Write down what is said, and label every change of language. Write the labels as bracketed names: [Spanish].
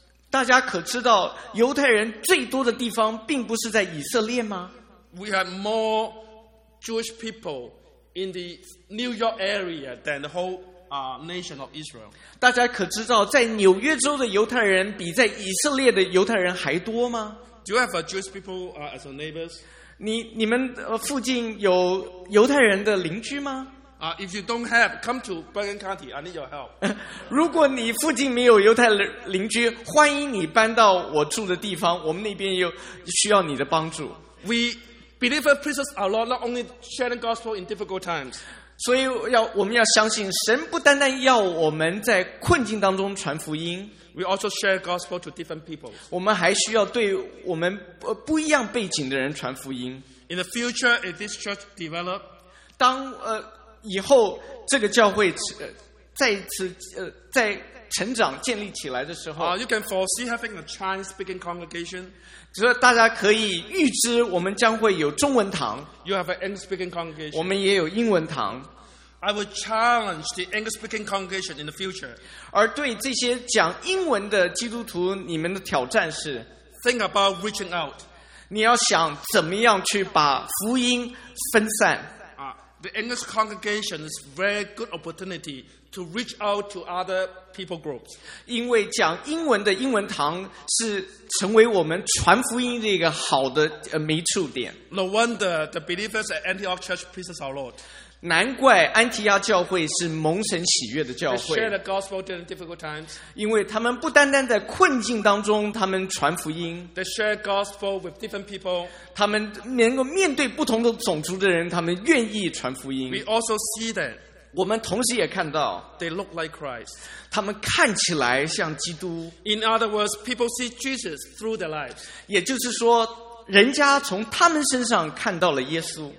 [Chinese] 大家可知道犹太人最多的地方并不是在以色列吗？ [English] We have more Jewish people in the New York area than the whole nation of Israel. [Chinese] 大家可知道，在纽约州的犹太人比在以色列的犹太人还多吗？ [English] Do you have Jewish people as your neighbors? [Chinese] 你们附近有犹太人的邻居吗？ [English] If you don't have, come to Bergen County. I need your help. [Chinese] 如果你附近没有犹太邻居，欢迎你搬到我住的地方。我们那边有需要你的帮助。 [English] We believers preach our Lord not only sharing gospel in difficult times. [Chinese] 所以我们要相信神不单单要我们在困境当中传福音。 [English] We also share gospel to different people. [Chinese] 我们还需要对我们不一样背景的人传福音。 [English] In the future, if this church develops, [Chinese] 当以后这个教会再次在成长建立起来的时候 [English] you can foresee having a Chinese speaking congregation. [Chinese] 所以大家可以预知我们将会有中文堂。 [English] You have an English speaking congregation. [Chinese] 我们也有英文堂。 [English] I will challenge the English speaking congregation in the future. [Chinese] 而对这些讲英文的基督徒，你们的挑战是 [English] Think about reaching out. [Chinese] 你要想怎么样去把福音分散。 [English] The English congregation is a very good opportunity to reach out to other people groups. [Chinese] 因为讲英文的英文堂是成为我们传福音的一个好的媒处点。 [English] No wonder the believers at Antioch Church praises our Lord. [Chinese] 难怪安提亚教会是蒙神喜悦的教会。 [English] They share the gospel during difficult times. [Chinese] 因为他们不单单在困境当中他们传福音。 [English] They share gospel with different people. [Chinese] 他们能够面对不同的种族的人，他们愿意传福音。 [English] We also see that. [Chinese] 我们同时也看到 [English] They look like Christ. [Chinese] 他们看起来像基督。 [English] In other words, people see Jesus through their lives. [Chinese] 也就是说，人家从他们身上看到了耶稣。